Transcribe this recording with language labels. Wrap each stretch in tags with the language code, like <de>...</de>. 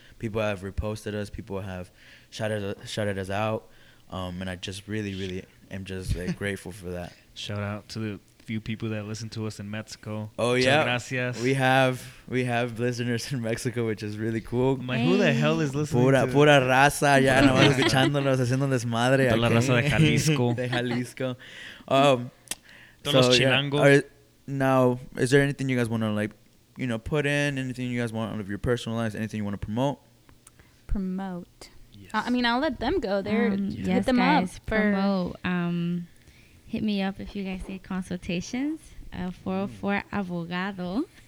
<en>People have reposted us. People have shouted us out. And I just really, really am just like grateful for that. Shout out to the few people that listen to us in Mexico. Oh yeah, gracias. We have listeners in Mexico, which is really cool. Who the hell is listening?</en> <es>Pura raza, ya no más escuchándonos, haciendo desmadre. La raza de Jalisco. Los chilangos.</es> <en>Now, is there anything you guys want to put in? Anything you guys want out of your personal lives? Anything you want to promote? Yes. I mean, I'll let them go. Hit them guys, up. Hit me up if you guys need consultations. 404 Avogado.</en>